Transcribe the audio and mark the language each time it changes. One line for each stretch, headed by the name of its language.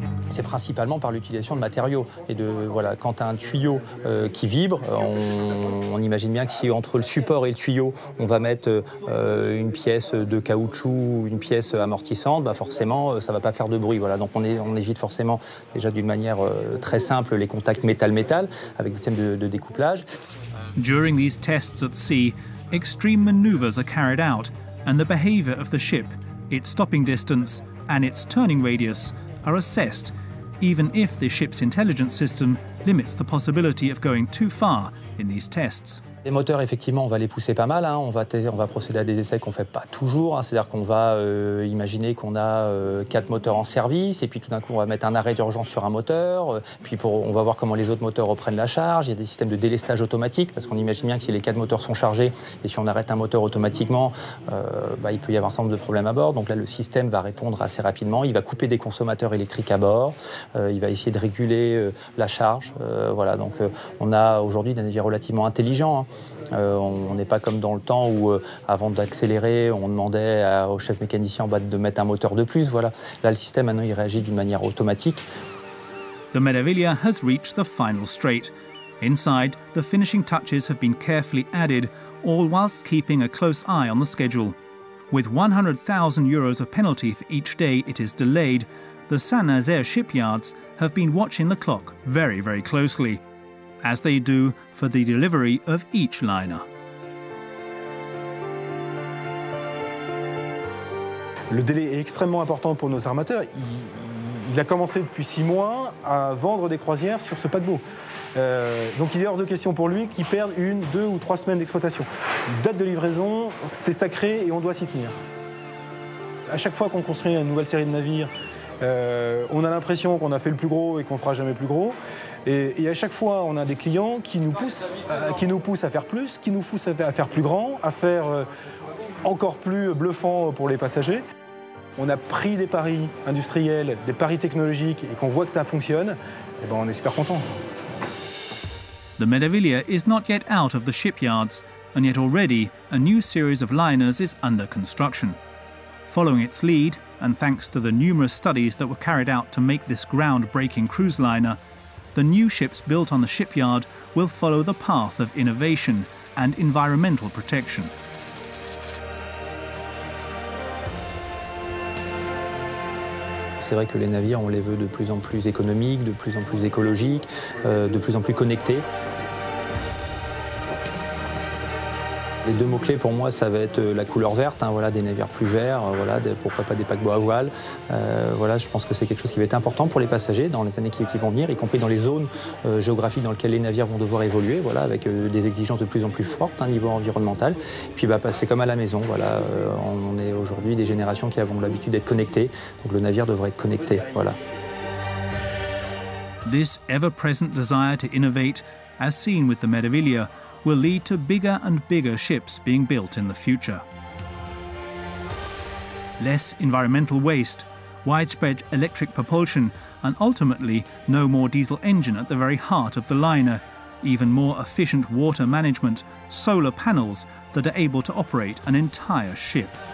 French: C'est principalement par l'utilisation de matériaux. Et de, voilà, quand tu as un tuyau qui vibre, on imagine bien que si entre le support et le tuyau, on va mettre une pièce de caoutchouc, une pièce amortissante, bah forcément, ça ne va pas faire de bruit. Voilà. Donc on évite forcément, déjà d'une manière très simple, les contacts métal-métal avec des systèmes de découplage.
English: During these tests at sea, extreme maneuvers are carried out, and the behavior of the ship, its stopping distance, and its turning radius are assessed, even if the ship's intelligence system limits the possibility of going too far in these tests.
French: Les moteurs, effectivement, on va les pousser pas mal. Hein. On va procéder à des essais qu'on ne fait pas toujours. Hein. C'est-à-dire qu'on va imaginer qu'on a 4 moteurs en service et puis tout d'un coup, on va mettre un arrêt d'urgence sur un moteur. On va voir comment les autres moteurs reprennent la charge. Il y a des systèmes de délestage automatique parce qu'on imagine bien que si les 4 moteurs sont chargés et si on arrête un moteur automatiquement, il peut y avoir un certain nombre de problèmes à bord. Donc là, le système va répondre assez rapidement. Il va couper des consommateurs électriques à bord. Il va essayer de réguler la charge. On a aujourd'hui des navires relativement intelligents. On n'est pas comme dans le temps où, avant d'accélérer, on demandait au chef mécanicien en bas de mettre un moteur de plus. Voilà. Là, le système, maintenant, il réagit d'une manière automatique.
English: The Meraviglia has reached the final straight. Inside, the finishing touches have been carefully added, all whilst keeping a close eye on the schedule. With 100,000 euros of penalty for each day it is delayed, the Saint-Nazaire shipyards have been watching the clock very, very closely, as they do for the delivery of each liner.
French: Le délai est extrêmement important pour nos armateurs. Il a commencé depuis 6 mois à vendre des croisières sur ce paquebot. Donc il est hors de question pour lui qu'il perde 1, 2 ou 3 semaines d'exploitation. Date de livraison, c'est sacré et on doit s'y tenir. À chaque fois qu'on construit une nouvelle série de navires, on a l'impression qu'on a fait le plus gros et qu'on fera jamais plus gros. Et à chaque fois, on a des clients qui nous poussent à faire plus, qui nous poussent à faire plus grand, à faire encore plus bluffant pour les passagers. On a pris des paris industriels, des paris technologiques, et qu'on voit que ça fonctionne, et ben on est super contents.
English: The Meraviglia is not yet out of the shipyards, and yet already a new series of liners is under construction. Following its lead, and thanks to the numerous studies that were carried out to make this groundbreaking cruise liner, the new ships built on the shipyard will follow the path of innovation and environmental protection.
French: C'est vrai que les navires, on les veut de plus en plus économiques, de plus en plus écologiques, de plus en plus connectés. Les deux mots-clés pour moi, ça va être la couleur verte, hein, voilà, des navires plus verts, voilà, pourquoi pas des paquebots à voile. Voilà, je pense que c'est quelque chose qui va être important pour les passagers dans les années qui vont venir, y compris dans les zones géographiques dans lesquelles les navires vont devoir évoluer, voilà, avec des exigences de plus en plus fortes, hein, niveau environnemental. Puis bah, c'est comme à la maison, voilà, on est aujourd'hui des générations qui avons l'habitude d'être connectées, donc le navire devrait être connecté. Voilà.
English: This ever-present desire to innovate, as seen with the Meraviglia, will lead to bigger and bigger ships being built in the future. Less environmental waste, widespread electric propulsion, and ultimately no more diesel engine at the very heart of the liner, even more efficient water management, solar panels that are able to operate an entire ship.